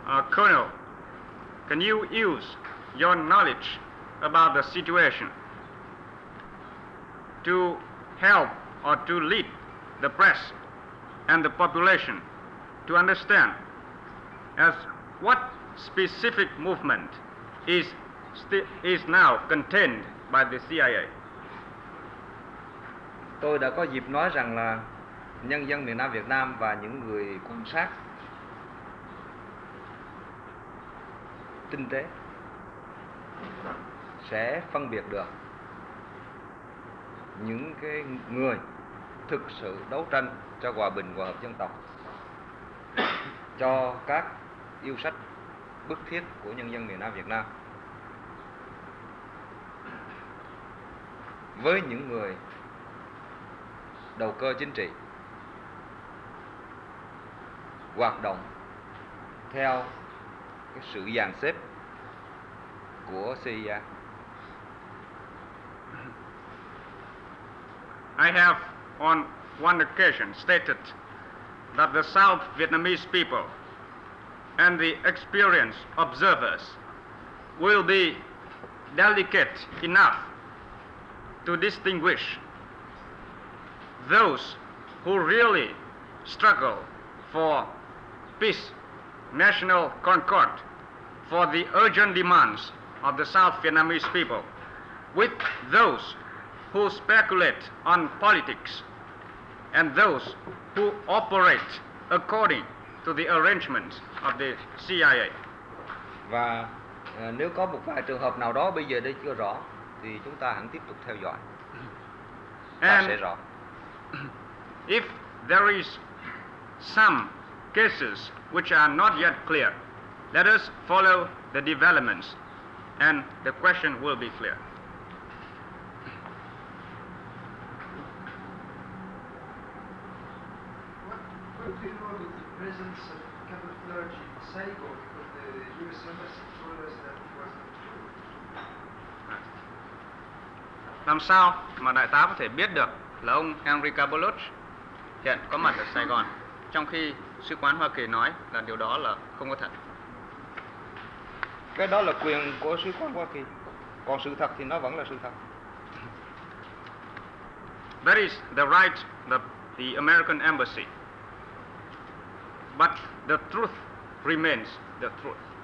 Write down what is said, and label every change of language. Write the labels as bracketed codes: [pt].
[en] Colonel, can you use your knowledge about the situation to help or to lead the press and the population to understand as what specific movement is now contained by the CIA? [vi] Tôi đã có dịp nói rằng là nhân dân miền Nam Việt Nam và những người quan sát tinh tế sẽ phân biệt được những cái người thực sự đấu tranh cho hòa bình, hòa hợp dân tộc, cho các yêu sách bức thiết của nhân dân miền Nam Việt Nam, với những người đầu cơ chính trị hoạt động theo cái sự dàn xếp của CIA. [en] I have on one occasion stated that the South Vietnamese people and the experienced observers will be delicate enough to distinguish those who really struggle for peace, national concord, for the urgent demands of the South Vietnamese people, with those who speculate on politics, and those who operate according to the arrangements of the CIA. [vi] Và nếu có một vài trường hợp nào đó bây giờ đây chưa rõ, thì chúng ta hẳn tiếp tục theo dõi. [en] And if there is some cases which are not yet clear, let us follow the developments and the question will be clear. What do you know about the presence of camouflage in Saigon? Because the U.S. Embassy told us that it wasn't true. [vi] Làm sao mà đại tá có thể biết được là ông Henry Cabot hiện có mặt ở Sài Gòn, trong khi sứ quán Hoa Kỳ nói là điều đó là không có thật? Cái đó là quyền của sứ quán Hoa Kỳ, còn sự thật thì nó vẫn là sự thật. [en] That is the right of the American embassy, but the truth remains the truth.